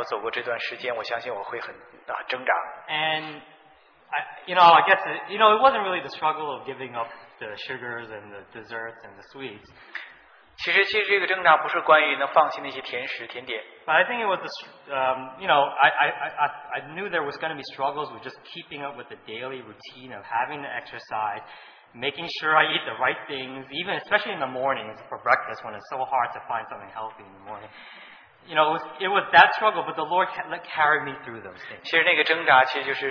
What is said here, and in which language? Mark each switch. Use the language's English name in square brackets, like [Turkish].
[Chinese] 我相信这都是主的恩典带领我走过这段时间，我相信我会很挣扎。 [English] And I guess it wasn't really the struggle of giving up the sugars and the desserts and the sweets. [Chinese] 其实这个挣扎不是关于能放弃那些甜食甜点。 [English] But I think it was I knew there was going to be struggles with just keeping up with the daily routine of having to exercise, making sure I eat the right things, even especially in the mornings for breakfast when it's so hard to find something healthy in the morning. You know, it was that struggle, but the Lord carried me through those things.